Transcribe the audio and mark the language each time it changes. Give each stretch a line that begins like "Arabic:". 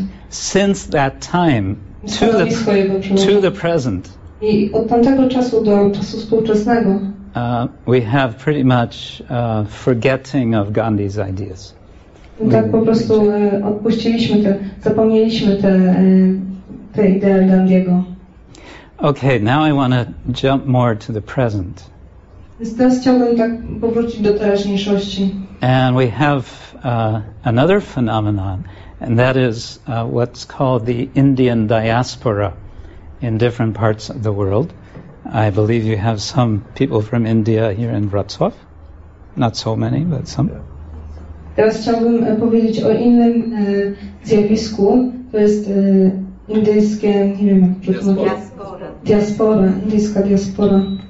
English: Since that time to the present, we have pretty much forgetting of Gandhi's ideas.
Polish: Tak po prostu odpuściliśmy te, zapomnieliśmy te idee Gandhiego.
English: Okay, now I want to jump more to the present.
Polish: Teraz chciałbym tak powrócić do teraźniejszości.
English: And we have another phenomenon, and that is what's called the Indian diaspora in different parts of the world. I believe you have some people from India here in Wrocław. Not so many, but some.
Polish: Teraz chciałbym powiedzieć o innym zjawisku, to jest indyjskie, nie wiem, jak to mówię. Diaspora, indyjska diaspora.